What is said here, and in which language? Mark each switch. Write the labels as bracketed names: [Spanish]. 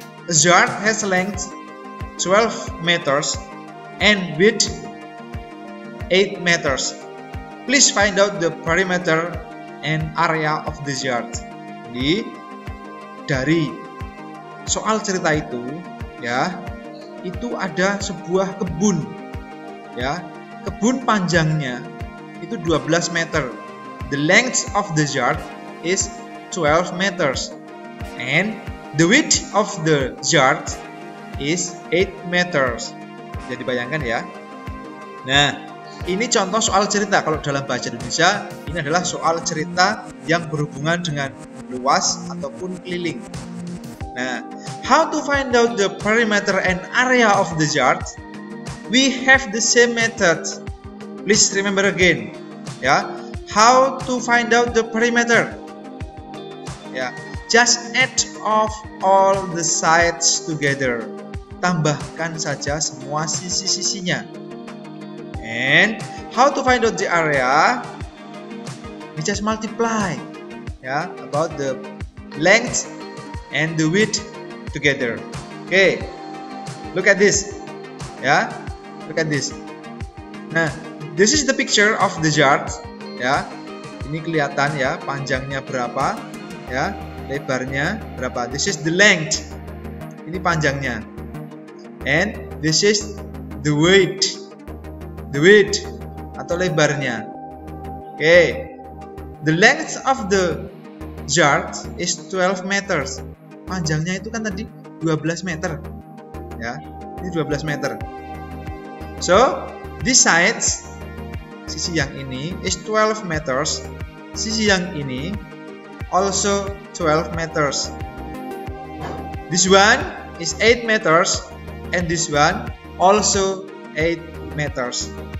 [English] A yard has length 12 meters and width 8 meters. Please find out the perimeter and area of this yard. [Indonesian] Jadi dari soal cerita itu, itu ada sebuah kebun, kebun panjangnya itu 12 meter. [English] The length of the yard is 12 meters and the width of the yard is 8 meters. [Indonesian] Jadi bayangkan ya. Nah, ini contoh soal cerita. Kalau dalam bahasa Indonesia, ini adalah soal cerita yang berhubungan dengan luas ataupun keliling. [English] Nah, how to find out the perimeter and area of the yard? We have the same method. Please remember again. How to find out the perimeter? Just add off all the sides together. [Indonesian] Tambahkan saja semua sisi-sisinya. [English] And how to find out the area? We just multiply, about the length and the width together. Okay, look at this, look at this. Nah, this is the picture of the yard, [Indonesian] Ini kelihatan panjangnya berapa, lebarnya berapa. [English] This is the length. [Indonesian] Ini panjangnya. [English] And this is the width. The width [Indonesian] atau lebarnya. [English] Okay, the length of the yard is 12 meters. [Indonesian] Panjangnya itu kan tadi 12 meter. Ini 12 meter. [English] So, this side, [Indonesian] sisi yang ini [English] is 12 meters. [Indonesian] Sisi yang ini [English] also 12 meters. This one is 8 meters and this one also 8 meters.